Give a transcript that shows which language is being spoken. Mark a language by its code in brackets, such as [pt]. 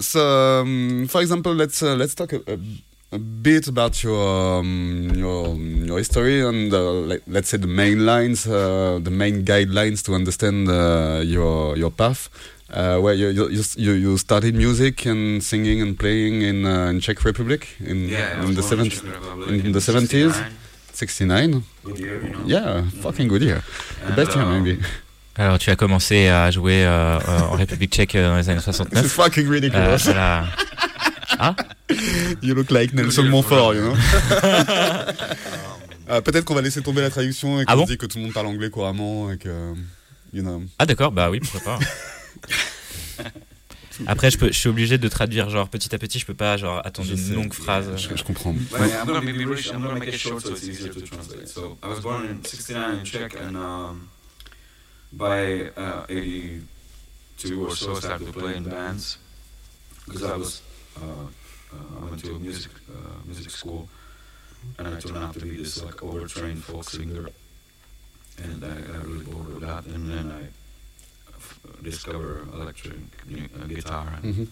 [en] So, for example, let's talk a bit about your history and let's say the main lines, the main guidelines to understand your path. Where you started music and singing and playing in Czech Republic in the 70s, 69. Yeah, fucking good year. The best year maybe. [fr] Alors tu as commencé à jouer en République Tchèque dans les années 69. C'est fucking ridiculous. Voilà. Ah? [en] You look like Nelson Montfort, you know. [fr] Peut-être qu'on va laisser tomber la traduction et qu'on dit que tout le monde parle anglais couramment et que you know. Ah d'accord, bah oui, pourquoi pas. Après, je suis obligé de traduire genre petit à petit. Je peux pas genre attendre une longue phrase. Je comprends. [en] Well, yeah, I'm gonna be British. I'm gonna make it short so it's easier to translate. So I was born in 69 in Czech, and by 82 or so, I started to play in bands because I went to music school, and I turned out to be this like overtrained folk singer, and I got really bored with that, and then I discover electric guitar and,